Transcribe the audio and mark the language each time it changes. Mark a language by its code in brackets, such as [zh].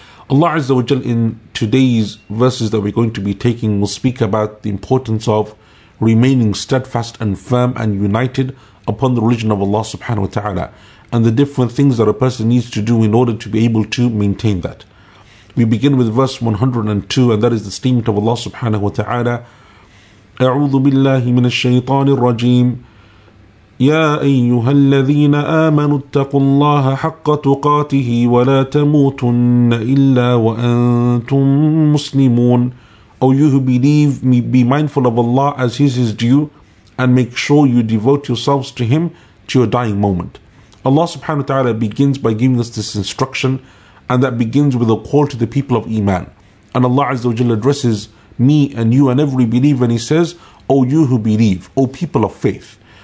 [en] Allah Azza wa Jal in today's verses that we're going to be taking will speak about the importance of remaining steadfast and firm and united upon the religion of Allah subhanahu wa ta'ala, and the different things that a person needs to do in order to be able to maintain that. We begin with verse 102, and that is the statement of Allah subhanahu wa ta'ala. [ar] أَعُوذُ بِاللَّهِ مِنَ الشَّيْطَانِ الرَّجِيمِ. يا أيها الذين آمنوا اتقوا الله حق تقاته ولا تموتن إلا وأنتم مسلمون. [en] O you who believe, be mindful of Allah as He is His due, and make sure you devote yourselves to Him to your dying moment. Allah subhanahu wa ta'ala begins by giving us this instruction, and that begins with a call to the people of Iman. And Allah Azza wa Jalla addresses me and you and every believer, and He says, O you who believe, O people of faith.